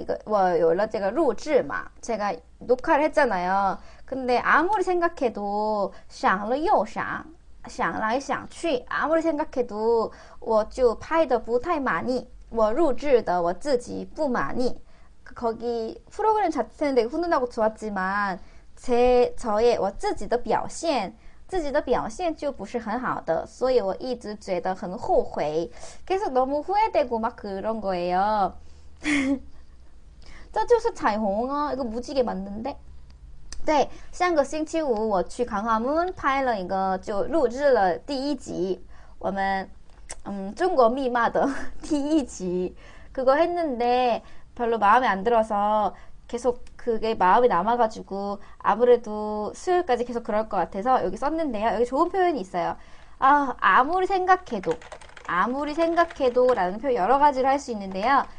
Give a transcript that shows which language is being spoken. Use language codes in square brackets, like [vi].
[zh] 上个星期五我有了这个录制嘛 [ko] 제가 녹화를 했잖아요 [zh] 근데 [ko] 아무리 생각해도 [zh] 想了又想想来想去 아무리 생각해도 我就拍得不太满意 我录制的我自己不满意 [ko] 거기 프로그램 자체는 되게 훈훈하고 좋았지만 저의 [zh] 自己的表现就不是很好的，所以我一直觉得很后悔。 [ko] 계속 너무 후회되고 막 그런 거예요. [zh] 这就是彩虹啊， [ko] 이거 무지개 맞는데? [zh] 네, 上个星期五我去광화문拍了一个就录制了第一集，我们中国密码的第一集。 [ko] 그거 했는데 별로 마음에 안 들어서 계속 그게 마음에 남아가지고 아무래도 수요일까지 계속 그럴 것 같아서 여기 썼는데요. 여기 좋은 표현이 있어요. 아, 아무리 생각해도라는 표현 여러 가지로 할수 있는데요.